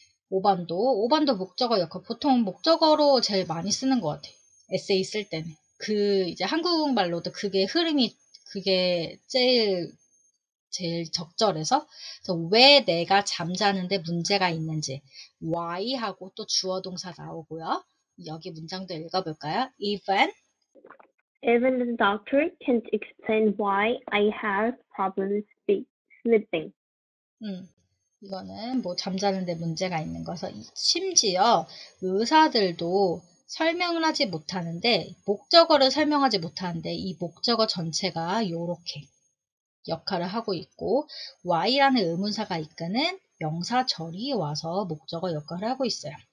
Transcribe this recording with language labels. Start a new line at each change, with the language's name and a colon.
Korean: 5번도 목적어 역할. 보통 목적어로 제일 많이 쓰는 것 같아. 에세이 쓸 때는. 그 이제 한국말로도 그게 흐름이 그게 제일 적절해서, 그래서 왜 내가 잠자는데 문제가 있는지, why 하고 또 주어 동사 나오고요. 여기 문장도 읽어볼까요?
English: Even Even the doctor can't explain why I have problems sleeping.
Korean: 이거는 뭐 잠자는데 문제가 있는 거서, 심지어 의사들도 설명을 하지 못하는데, 목적어를 설명하지 못하는데, 이 목적어 전체가 요렇게 역할을 하고 있고, Y라는 의문사가 이끄는 명사절이 와서 목적어 역할을 하고 있어요.